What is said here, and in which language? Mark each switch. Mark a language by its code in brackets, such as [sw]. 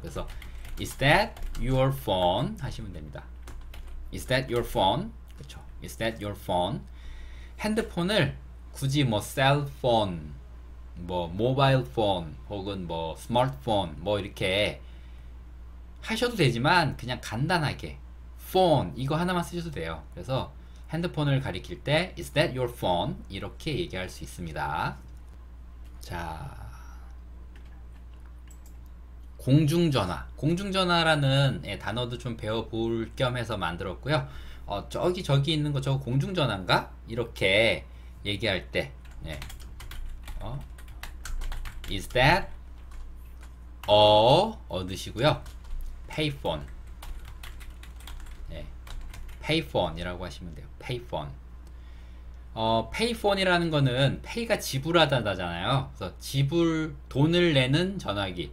[ko] 그래서 [en] Is that your phone? [ko] 하시면 됩니다. [en] Is that your phone? [ko] 그렇죠. [en] Is that your phone? [ko] 핸드폰을 굳이 뭐 셀폰 뭐 모바일 폰 혹은 뭐 스마트폰 뭐 이렇게 하셔도 되지만 그냥 간단하게 폰 이거 하나만 쓰셔도 돼요. 그래서 핸드폰을 가리킬 때 [en] Is that your phone? [ko] 이렇게 얘기할 수 있습니다. 자, 공중전화. 공중전화라는 단어도 좀 배워볼 겸 해서 만들었고요. 저기 있는 거 저거 공중전화인가? 이렇게 얘기할 때 예. [en] Is that a [ko] 얻으시고요. [en] Payphone. [ko] 네. Payphone이라고 하시면 돼요. [en] Payphone. [ko] Payphone이라는 거는 pay가 지불하다잖아요. 그래서 지불 돈을 내는 전화기.